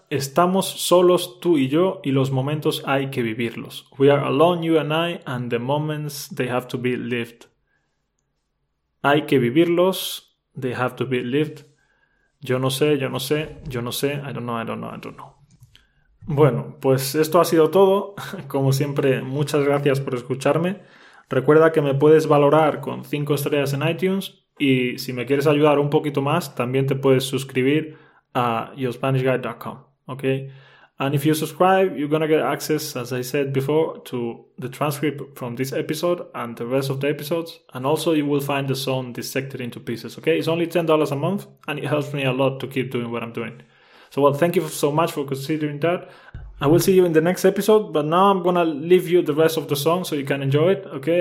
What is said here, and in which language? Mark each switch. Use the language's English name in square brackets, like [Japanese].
[Spanish] Estamos solos tú y yo y los momentos hay que vivirlos. [English] We are alone, you and I, and the moments, they have to be lived. [Spanish] Hay que vivirlos, [English] they have to be lived. [Spanish] Yo no sé. [English] I don't know. [Spanish] Bueno, pues esto ha sido todo. Como siempre, muchas gracias por escucharme. Recuerda que me puedes valorar con 5 estrellas en iTunes. Y si me quieres ayudar un poquito más, también te puedes suscribir a yourspanishguide.com, okay? [English] And if you subscribe, you're gonna get access, as I said before, to the transcript from this episode and the rest of the episodes. And also you will find the song dissected into pieces, okay? It's only $10 a month and it helps me a lot to keep doing what I'm doing. So, well, thank you so much for considering that. I will see you in the next episode, but now I'm gonna leave you the rest of the song so you can enjoy it, okay?